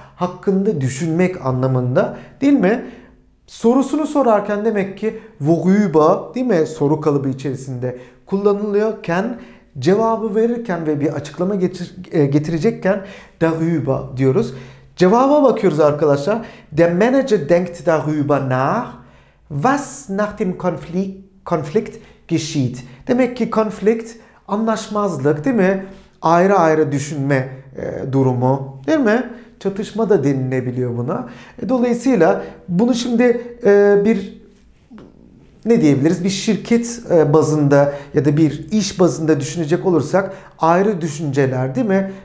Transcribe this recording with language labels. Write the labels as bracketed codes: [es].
[tr] Hakkında düşünmek anlamında değil mi? Sorusunu sorarken demek ki worüber değil mi? Soru kalıbı içerisinde kullanılıyorken cevabı verirken ve bir açıklama getirecekken darüber diyoruz. Cevaba bakıyoruz arkadaşlar. [de] Der Manager denkt darüber nach, was nach dem Konflikt geschieht. [tr] Demek ki konflikt anlaşmazlık değil mi? Ayrı ayrı düşünme durumu değil mi? Çatışma da denilebiliyor buna. Dolayısıyla bunu şimdi bir ne diyebiliriz? Bir şirket bazında ya da bir iş bazında düşünecek olursak ayrı düşünceler değil mi?